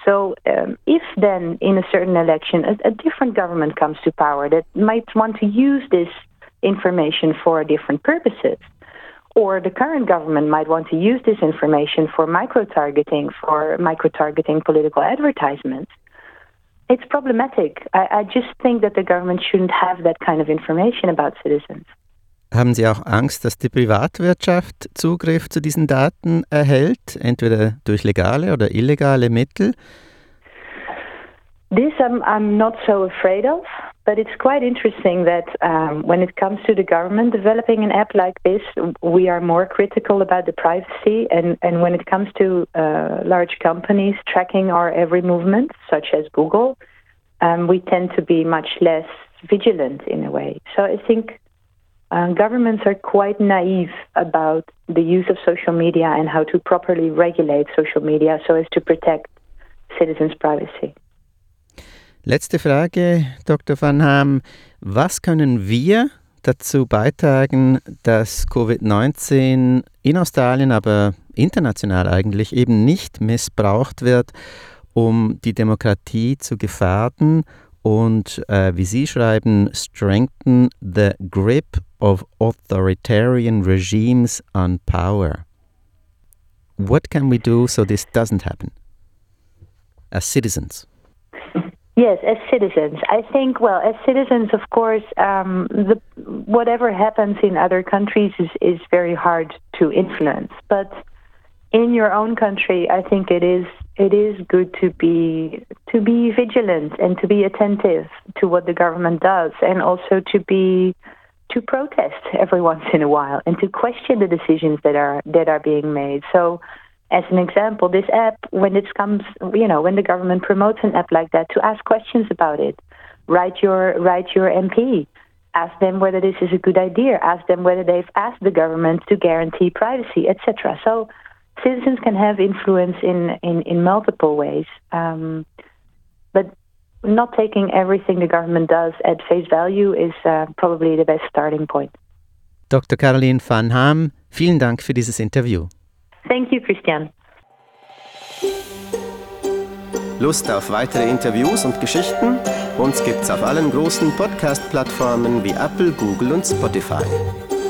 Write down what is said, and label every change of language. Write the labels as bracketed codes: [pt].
[en] So if then in a certain election, a different government comes to power that might want to use this information for different purposes, or the current government might want to use this information for micro-targeting political advertisements, it's problematic. I just think that the government shouldn't have that kind of information about citizens. [de] Haben Sie auch Angst, dass die Privatwirtschaft Zugriff zu diesen Daten erhält, entweder durch legale oder illegale Mittel? [en] This I'm not so afraid of, but it's quite interesting that when it comes to the government developing an app like this, we are more critical about the privacy, and when it comes to large companies tracking our every movement, such as Google, we tend to be much less vigilant in a way. So I think governments are quite naive about the use of social media and how to properly regulate social media so as to protect citizens' privacy. [de] Letzte Frage, Dr. Van Ham. Was können wir dazu beitragen, dass Covid-19 in Australien, aber international eigentlich, eben nicht missbraucht wird, um die Demokratie zu gefährden und, wie Sie schreiben, [en] strengthen the grip of authoritarian regimes on power? What can we do so this doesn't happen as citizens? Yes, as citizens. I think, well, as citizens, of course, whatever happens in other countries is very hard to influence. But in your own country, I think it is good to be vigilant and to be attentive to what the government does, and also to protest every once in a while and to question the decisions that are being made. So, as an example, this app, when it comes, you know, when the government promotes an app like that, to ask questions about it, write your MP, ask them whether this is a good idea, ask them whether they've asked the government to guarantee privacy, etc. So citizens can have influence in multiple ways, but not taking everything the government does at face value is probably the best starting point. [de] Dr. Caroline van Ham, vielen Dank für dieses Interview. [en] Thank you, Christian. [de] Lust auf weitere Interviews und Geschichten? Uns gibt's auf allen großen Podcast-Plattformen wie Apple, Google und Spotify.